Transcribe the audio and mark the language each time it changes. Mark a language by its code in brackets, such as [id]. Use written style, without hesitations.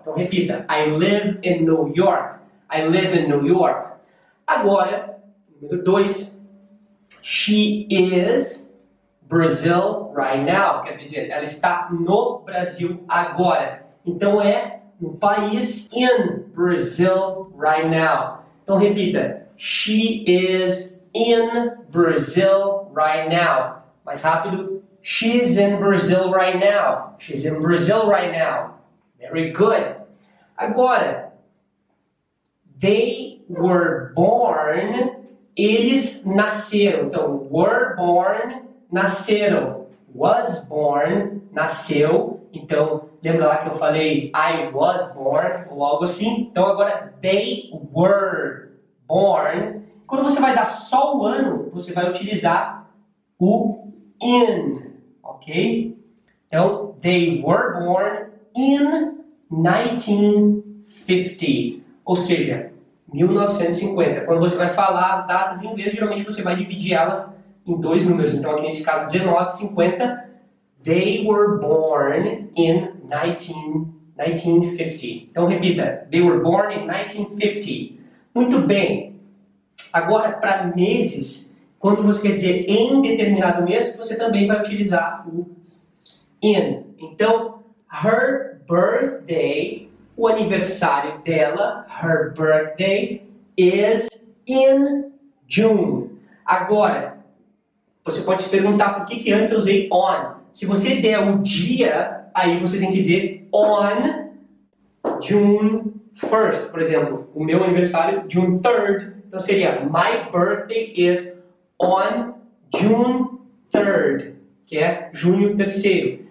[pt] Então, repita. [en] I live in New York. I live in New York. [pt] Agora, número 2. [en] She is Brazil right now. [pt] Quer dizer, ela está no Brasil agora. Então, é no país [en] in Brazil right now. [pt] Então, repita. [en] She is in Brazil right now. [pt] Mais rápido. [en] She's in Brazil right now. She's in Brazil right now. Very good. [pt] Agora, [en] they were born, [pt] eles nasceram. Então, [en] were born, [pt] nasceram. [en] Was born, [pt] nasceu. Então, lembra lá que eu falei [en] I was born [pt] ou algo assim? Então, agora, [en] they were born. [pt] Quando você vai dar só o ano, você vai utilizar o in. Ok? [en] Então, they were born in 1950. [pt] Ou seja, [en] 1950. [pt] Quando você vai falar as datas em inglês, geralmente você vai dividir ela em dois números. Então, aqui nesse caso, 1950. [en] They were born in 1950. [pt] Então, repita. [en] They were born in 1950. [pt] Muito bem. Agora, para meses, quando você quer dizer em determinado mês, você também vai utilizar o in. [en] Então, her birthday, [pt] o aniversário dela, [en] her birthday, is in June. [pt] Agora, você pode se perguntar por que, que antes eu usei on. Se você der um dia, aí você tem que dizer [en] on June 1st. [pt] Por exemplo, o meu aniversário, [en] June 3rd. [pt] Então, seria [en] my birthday is on June 3rd, [pt] que é junho terceiro.